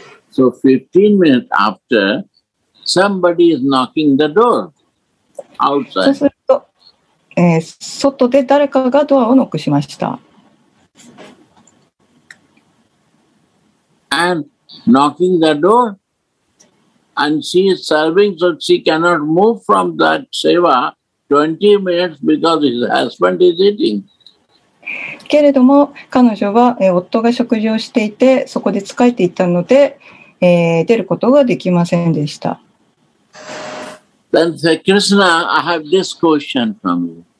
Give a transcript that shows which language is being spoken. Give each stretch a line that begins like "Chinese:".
English: So 15 minutes after, somebody is knocking the door outside.
Japanese: そうすると、外で誰かがドアをノックしました。
English: And knocking the door. And she is serving, so she cannot move from that seva 20 minutes because his husband is eating.
Japanese: けれども彼女は、夫が食事をしていてそこで疲れていたので、出ることができませんでした。
English: Then say, Krishna, I have this question from you.